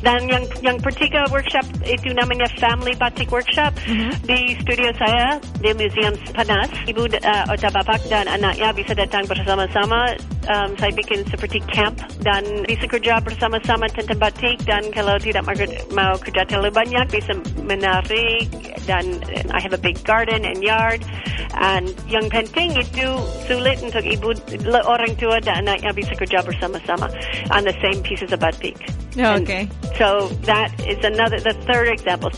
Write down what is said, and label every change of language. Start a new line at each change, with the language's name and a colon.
Indonesian: Dan yang pertiga workshop itu namanya family batik workshop di studio saya di Museum Panas. Ibu atau bapak dan anaknya bisa datang bersama-sama. Saya bikin seperti camp dan bisa kerja bersama-sama tentang batik. Dan kalau tidak mau kerja terlalu banyak, bisa menari. Dan
English: I have a big garden and yard.
Indonesian: And yang penting itu sulit untuk ibu, orang tua dan anaknya bisa kerja bersama-sama
English: on the same pieces of batik. Okay. And so that is another, the third example.